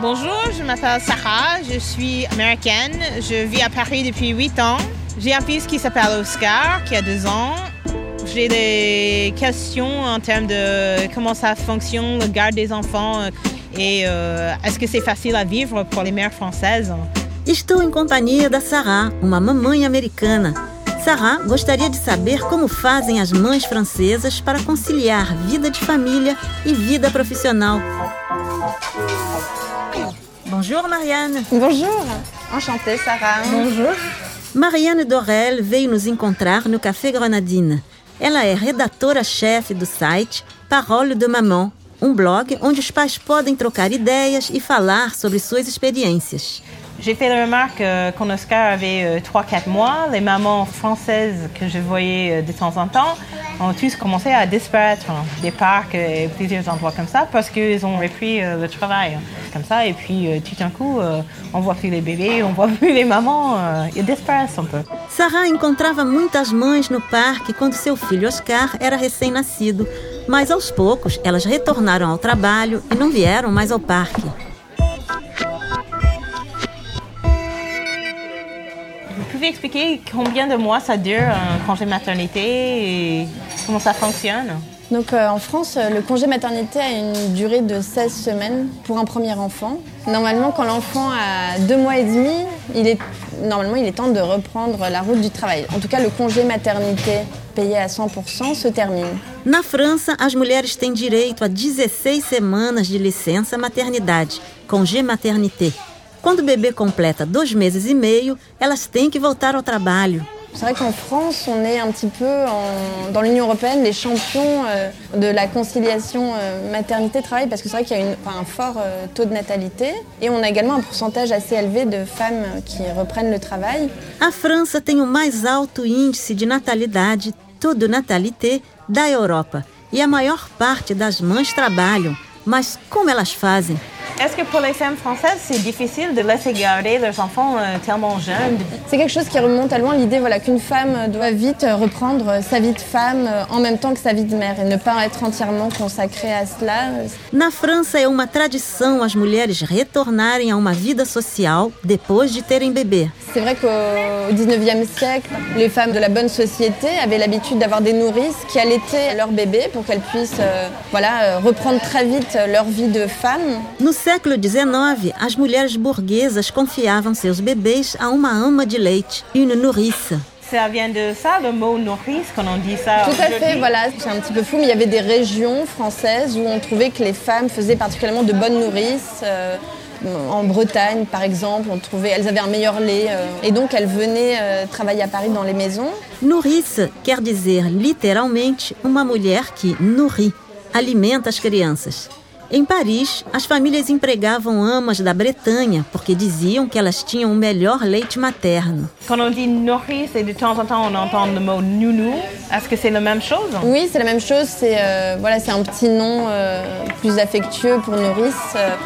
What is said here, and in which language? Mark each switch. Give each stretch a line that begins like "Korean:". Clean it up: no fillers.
French: Bonjour, je m'appelle Sarah, je suis américaine, je vis à Paris depuis 8 ans. J'ai un fils qui s'appelle Oscar, qui a 2 ans. J'ai des questions en termes de comment ça fonctionne, le garde des enfants, et est-ce que c'est facile à vivre pour les mères françaises.
Portuguese: Estou em companhia da Sarah, uma mamãe americana. Sarah gostaria de saber como fazem as mães francesas para conciliar vida de família e vida profissional.
French: Bonjour, Marianne. Bonjour. Enchantée, Sarah. Bonjour.
Portuguese: Marianne Dorel veio nos encontrar no Café Grenadine. Ela é redatora-chefe do site Parole de Maman, um blog onde os pais podem trocar ideias e falar sobre suas experiências.
French: J'ai fait la remarque quand Oscar avait 3-4 mois, les mamans françaises que je voyais de temps en temps ont tous commencé à disparaître des parcs et plusieurs endroits comme ça parce qu'ils ont repris le travail comme ça. Et puis tout d'un coup, on voit plus les bébés, on voit plus les mamans, ils disparaissent un peu.
Portuguese: Sarah encontrava muitas mães no parque quando seu filho Oscar era recém-nascido, mas aos poucos elas retornaram ao trabalho e não vieram mais ao parque.
French: Vous pouvez expliquer combien de mois ça dure un congé maternité et comment ça fonctionne ? Donc en France, le congé maternité a une durée de 16 semaines pour un premier enfant. Normalement, quand l'enfant a 2 mois et demi, il est temps de reprendre la route du travail. En tout cas, le congé maternité payé à 100% se termine.
Portuguese: Na França, as mulheres têm direito a 16 semanas de licença maternidade, congé maternité. Quando o bebê completa 2 meses e meio, elas têm que voltar ao trabalho.
French: C'est vrai qu'en France, on est un petit peu, dans l'Union européenne, les champions de la conciliation maternité-travail, parce que c'est vrai qu'il y a un fort taux de natalité, et on a également un pourcentage assez élevé de femmes qui reprennent le travail.
Portuguese: A França tem o mais alto índice de natalidade, taux de natalité, da Europa, e a maior parte das mães trabalham. Mas como elas fazem?
French: Est-ce que pour les femmes françaises, c'est difficile de laisser garder leurs enfants tellement jeunes? C'est quelque chose qui remonte à loin, l'idée voilà, qu'une femme doit vite reprendre sa vie de femme en même temps que sa vie de mère et ne pas être entièrement consacrée à cela.
Portuguese: Na França, é uma tradição as mulheres retornarem à uma vida social depois de terem bébé.
French: C'est vrai qu'au 19e siècle, les femmes de la bonne société avaient l'habitude d'avoir des nourrices qui allaitaient leur bébé pour qu'elles puissent reprendre très vite leur vie de femme.
Portuguese: No século XIX, as mulheres burguesas confiavam seus bebês a uma ama de leite, une nourrice.
French: Ça vient de ça, le mot nourrice, quand on dit ça. Tout à fait, voilà, c'est un petit peu fou, mais il y avait des régions françaises où on trouvait que les femmes faisaient particulièrement de bonnes nourrices. En Bretagne, par exemple, elles avaient un meilleur lait. Et donc, elles venaient travailler à Paris dans les maisons.
Portuguese: Nourrice quer dizer, literalmente, uma mulher que nourrit, alimenta as crianças. Em Paris, as famílias empregavam amas da Bretanha porque diziam que elas tinham o melhor leite materno.
French: Quando on dit nourrice et de temps en temps on entend le mot nounou, est-ce que c'est la même chose? Oui, c'est la même chose, c'est un petit nom plus affectueux pour nourrice.